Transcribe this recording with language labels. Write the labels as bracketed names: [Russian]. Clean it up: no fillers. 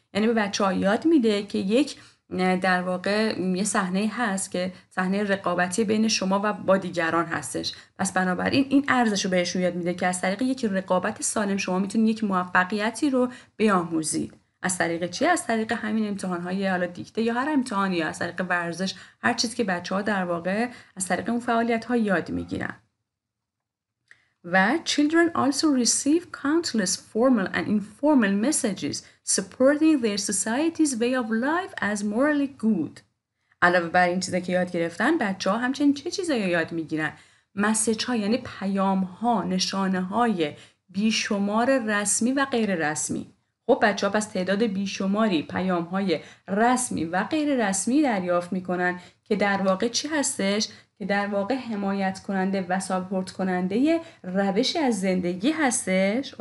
[Persian] یعنی به بچه‌ها یاد میده که یک در واقع یه صحنه هست که صحنه رقابتی بین شما و با دیگران هستش، پس بنابراین این ارزش رو بهشون یاد میده که از طریق یک رقابت سالم شما میتونید یک موفقیتی رو بیاموزید. از طریق چی؟ از طریق همین امتحان‌های حالا دیکته یا هر امتحانی، از طریق ورزش، هر چیزی که بچه‌ها در واقع از طریق اون فعالیت‌ها یاد میگیرن. [English] و children also receive countless formal and informal messages supporting their society's way of life as morally good. [Persian] علاوه بر این چیزا که یاد گرفتن، بچه‌ها همچنین چه چیزایی یاد میگیرن؟ مسیج‌ها، یعنی پیام‌ها، نشانه‌های بیشمار رسمی و غیر رسمی. خب بچه‌ها پس تعداد بیشماری پیام‌های رسمی و غیر رسمی دریافت می‌کنن که در واقع چی هستش؟ که در واقع حمایت کننده و ساپورت کننده روشی از زندگی هستش.